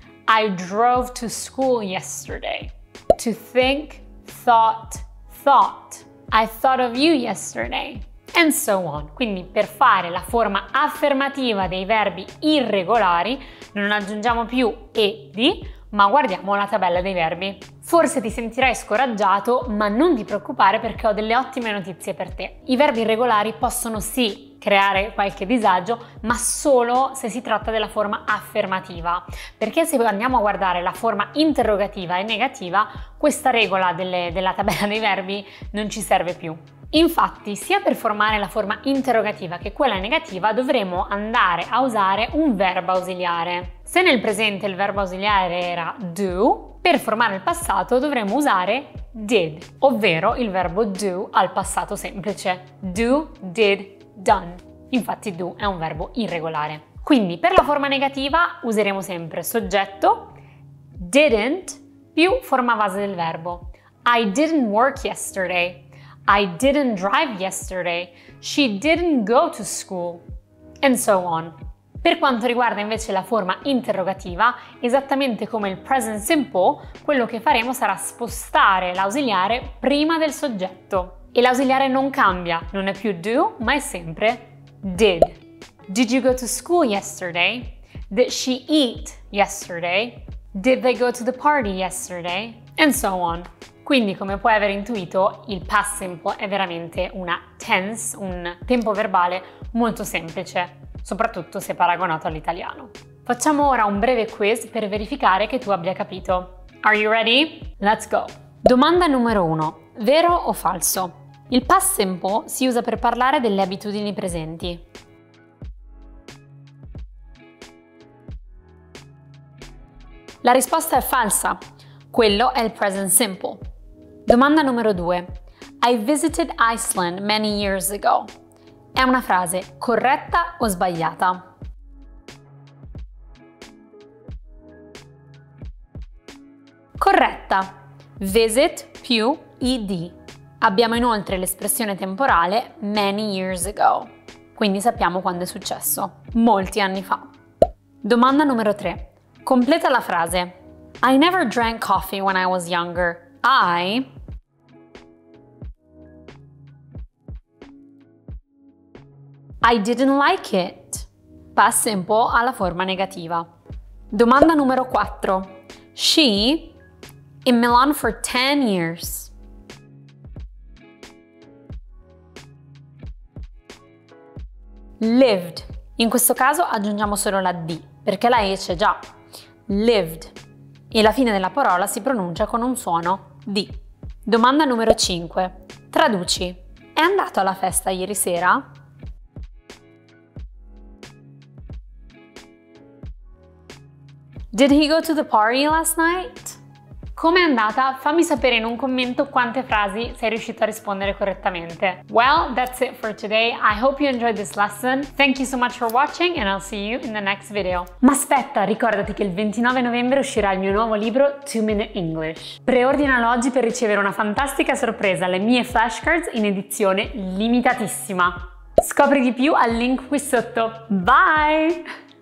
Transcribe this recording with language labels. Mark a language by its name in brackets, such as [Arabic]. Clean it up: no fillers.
[English] I drove to school yesterday. To think, thought, thought. I thought of you yesterday. And so on. [Italian] Quindi per fare la forma affermativa dei verbi irregolari non aggiungiamo più ed, ma guardiamo la tabella dei verbi. Forse ti sentirai scoraggiato, ma non ti preoccupare perché ho delle ottime notizie per te. I verbi irregolari possono sì creare qualche disagio, ma solo se si tratta della forma affermativa. Perché se andiamo a guardare la forma interrogativa e negativa, questa regola della tabella dei verbi non ci serve più. Infatti, sia per formare la forma interrogativa che quella negativa, dovremo andare a usare un verbo ausiliare. Se nel presente il verbo ausiliare era do, per formare il passato dovremo usare did, ovvero il verbo do al passato semplice. [English] Do, did, done. [Italian] Infatti do è un verbo irregolare. Quindi per la forma negativa useremo sempre soggetto, didn't più forma base del verbo. [English] I didn't work yesterday. I didn't drive yesterday. She didn't go to school. And so on. [Italian] Per quanto riguarda invece la forma interrogativa, esattamente come il present simple, quello che faremo sarà spostare l'ausiliare prima del soggetto. E l'ausiliare non cambia, non è più do, ma è sempre did. [English] Did you go to school yesterday? Did she eat yesterday? Did they go to the party yesterday? And so on. [Italian] Quindi, come puoi aver intuito, il past simple è veramente una tense, un tempo verbale molto semplice, soprattutto se paragonato all'italiano. Facciamo ora un breve quiz per verificare che tu abbia capito. [English] Are you ready? Let's go! [Italian] Domanda numero 1. Vero o falso? Il past simple si usa per parlare delle abitudini presenti. La risposta è falsa. Quello è il present simple. Domanda numero 2. [English] I visited Iceland many years ago. [Italian] È una frase corretta o sbagliata? Corretta. Visit più ed. Abbiamo inoltre l'espressione temporale [English] many years ago. [Italian] Quindi sappiamo quando è successo. Molti anni fa. Domanda numero 3. Completa la frase. [English] I never drank coffee when I was younger. I... I didn't like it. [Italian] Passa un po' alla forma negativa. Domanda numero 4. [English] She in Milan for 10 years. [Italian] Lived. In questo caso aggiungiamo solo la D, perché la E c'è già. Lived. E la fine della parola si pronuncia con un suono D. Domanda numero 5. Traduci. È andato alla festa ieri sera? [English] Did he go to the party last night? [Italian] Com'è andata? Fammi sapere in un commento quante frasi sei riuscito a rispondere correttamente. [English] Well, that's it for today. I hope you enjoyed this lesson. Thank you so much for watching and I'll see you in the next video. [Italian] Ma aspetta, ricordati che il 29 novembre uscirà il mio nuovo libro 2 Minute English. Preordinalo oggi per ricevere una fantastica sorpresa, le mie flashcards in edizione limitatissima. Scopri di più al link qui sotto. Bye!